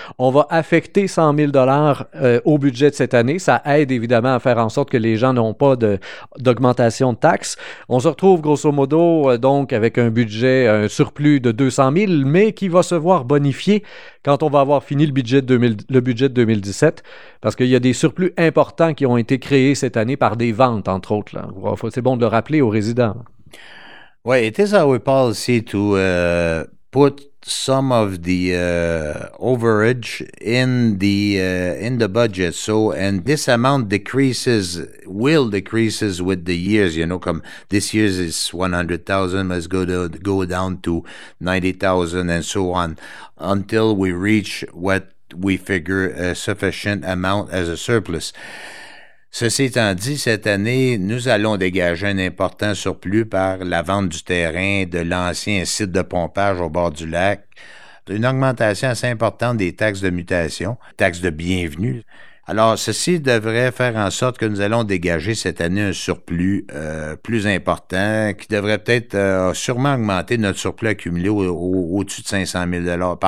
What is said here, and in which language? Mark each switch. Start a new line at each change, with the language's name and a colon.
French: On va affecter 100 000 $ au budget de cette année. Ça aide évidemment à faire en sorte que les gens n'ont pas d'augmentation de taxes. On se retrouve grosso modo donc avec un budget, un surplus de 200 000, mais qui va se voir bonifié quand on va avoir fini le budget de 2017, parce qu'il y a des surplus importants qui ont été créés cette année par des ventes, entre autres. Là. C'est bon de le rappeler aux résidents.
English: Oui, it is our policy to put some of the overage in the budget. So, and this amount decreases, will decreases with the years, you know, come this year's is 100,000, let's go down to 90,000 and so on, until we reach what we figure a sufficient amount as a surplus.
French: Ceci étant dit, cette année, nous allons dégager un important surplus par la vente du terrain de l'ancien site de pompage au bord du lac, une augmentation assez importante des taxes de mutation, taxes de bienvenue. Alors, ceci devrait faire en sorte que nous allons dégager cette année un surplus plus important qui devrait peut-être sûrement augmenter notre surplus accumulé au-dessus de 500 000 $.